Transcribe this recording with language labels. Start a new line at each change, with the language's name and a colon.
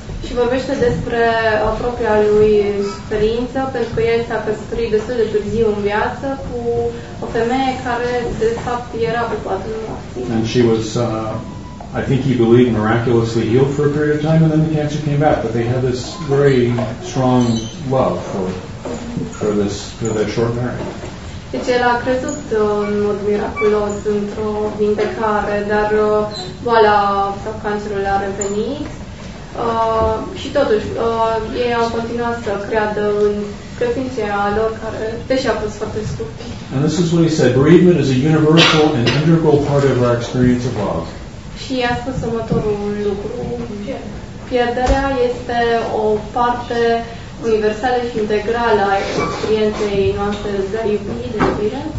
Romanian: Și vorbește despre o propria lui suferință, pentru că el s-a căsătorit destul de târziu în viață cu o femeie care, de fapt, era pe patul morții.
English: And she was, I think he believed, miraculously healed for a period of time, and then the cancer came back. But they had this very strong love for this, for their short marriage.
Romanian: Deci el a crezut în mod miraculos într-o vindecare, dar boala sau cancerul a revenit. Și totuși, ei au continuat să creadă în credința lor, care deși a fost foarte scurt.
English: And this is what he said, bereavement is a universal and integral part of our experience of love.
Romanian: Și a spus următorul lucru. Pierderea este o parte universală și integrală a experienței noastre de iubire, de iubire.